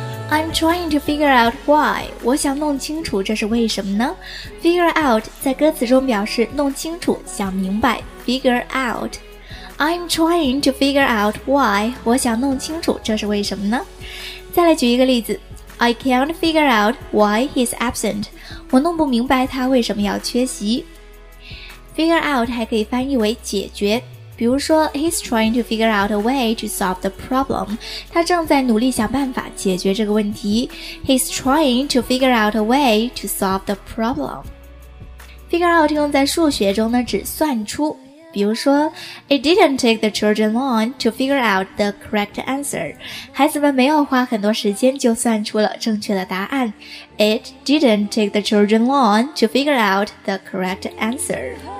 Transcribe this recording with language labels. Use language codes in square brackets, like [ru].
[en] I'm trying to figure out why， [zh] 我想弄清楚这是为什么呢？ Figure out 在歌词中表示弄清楚，想明白， Figure out。 [en] I'm trying to figure out why， [zh] 我想弄清楚这是为什么呢？再来举一个例子， [en] I can't figure out why he's absent， [zh] 我弄不明白他为什么要缺席。 Figure out 还可以翻译为解决，比如说 [en] He's trying to figure out a way to solve the problem， [zh] 他正在努力想办法解决这个问题。 [en] He's trying to figure out a way to solve the problem。 [zh] Figure out 用在数学中呢，指算出，比如说 [en] It didn't take the children long to figure out the correct answer， [zh] 孩子们没有花很多时间就算出了正确的答案。 [en] It didn't take the children long to figure out the correct answer。